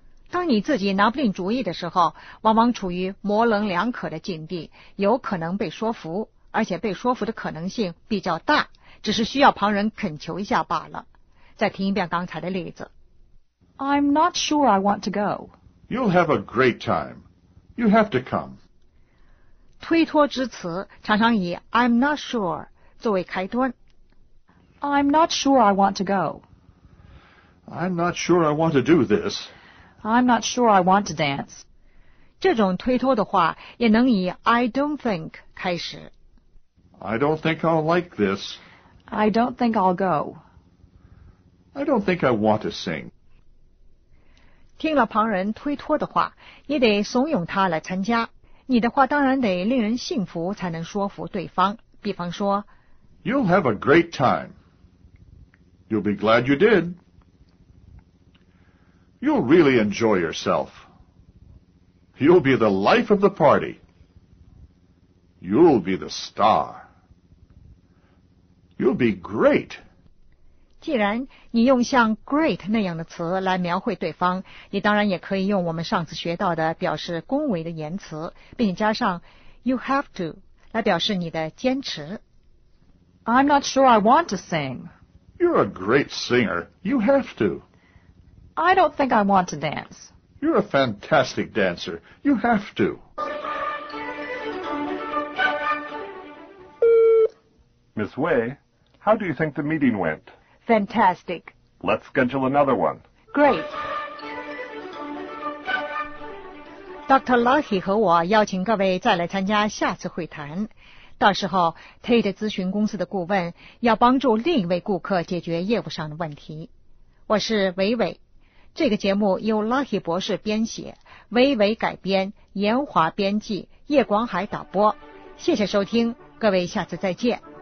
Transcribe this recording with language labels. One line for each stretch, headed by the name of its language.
Chinese: 当你自己拿不定主意的时候，往往处于模棱两可的境地，有可能被说服，而且被说服的可能性比较大，只是需要旁人恳求一下罢了。再听一遍刚才的例子。
English: I'm not sure I want to go. You'll have a great time. You have to come.
Chinese: 推脱之词常常以
English: I'm not sure
Chinese: 作为开端。
English: I'm not sure I want to go. I'm not sure I want to do this. I'm not sure I want to dance.
Chinese: 这种推脱的话也能以
English: I don't think
Chinese: 开始。
English: I don't think I'll like this. I don't think I'll go. I don't think I want to sing.
Chinese: 听了旁人推脱的话，你得怂恿他来参加。你的话当然得令人信服才能说服对方。比方说
English: You'll have a great time. You'll be glad you did. You'll really enjoy yourself. You'll be the life of the party. You'll be the star. You'll be great.
Chinese: 既然你用像 great 那样的词来描绘对方，你当然也可以用我们上次学到的表示恭维的言辞，并加上
English: you have to
Chinese: 来表示你的坚持。
English: I'm not sure I want to sing. You're a great singer. You have to. I don't think I want to dance. You're a fantastic dancer. You have to. Miss Wei, how do you think the meeting went? Fantastic. Let's schedule another one. Great. Dr.
Chinese: Lucky 和我邀请各位再来参加下次会谈。到时候 Tate 咨询公司的顾问要帮助另一位顾客解决业务上的问题。我是伟伟。这个节目由 Lucky 博士编写，伟伟改编，严华编辑，叶广海导播。谢谢收听，各位下次再见。